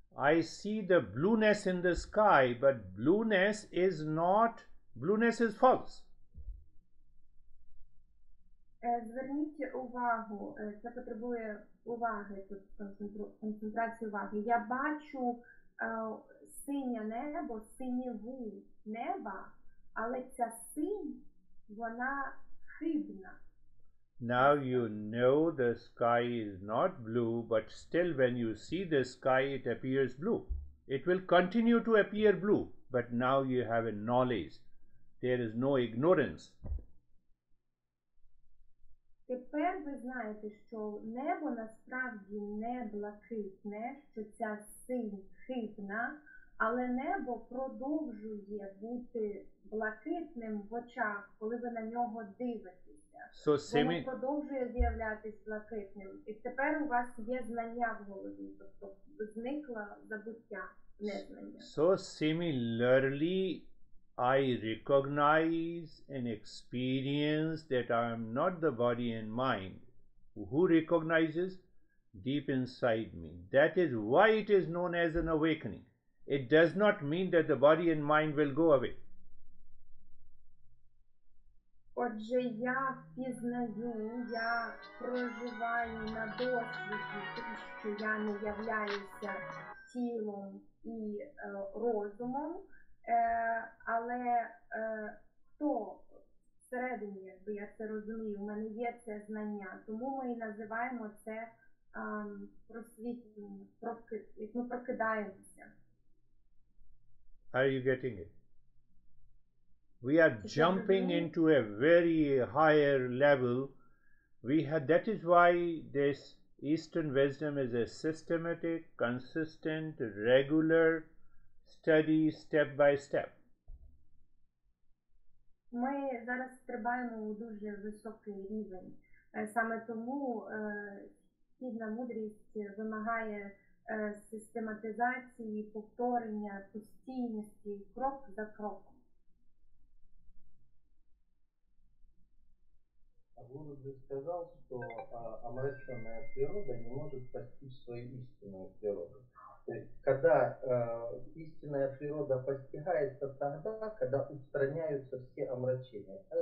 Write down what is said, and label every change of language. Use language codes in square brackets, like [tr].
[en] I see the blueness in the sky, but blueness is not, blueness is false. [uk] Зверніть увагу, це потребує уваги, концентрації уваги. Я бачу синє небо, синєву неба, але ця синь, вона хибна. [en] Now you know the sky is not blue, but still when you see the sky, it appears blue. It will continue to appear blue, but now you have a knowledge. There is no ignorance. [uk] Тепер ви знаєте, що небо насправді не блакитне, що ця синь хибна, але небо продовжує бути блакитним в очах, коли ви на нього дивитеся. [en] So, [uk] воно продовжує з'являтися блакитним. І тепер у вас є знання в голові, тобто зникло забуття, незнання. [en] So similarly, I recognize and experience that I am not the body and mind. Who recognizes? Deep inside me. That is why it is known as an awakening. It does not mean that the body and mind will go away. [uk] Отже, я пізнаю, я проживаю на досвіді, що я не являюся тілом і розумом. Але хто всередині, якби я це розумію, в мене є це знання, тому ми і називаємо це просвітлення, як ми прокидаємося. [en] Are you getting it? We are jumping into a very higher level. That is why this Eastern wisdom is a systematic, consistent, regular study step by step. [uk] Ми зараз стрибаємо у дуже високий рівень. Саме тому східна мудрість вимагає систематизації, повторення, постійності, крок за кроком. А Гуру би сказав, що омрачена природа не може спасти свою істинну природу. [ru] Когда истинная природа постигается тогда, когда устраняются все омрачения.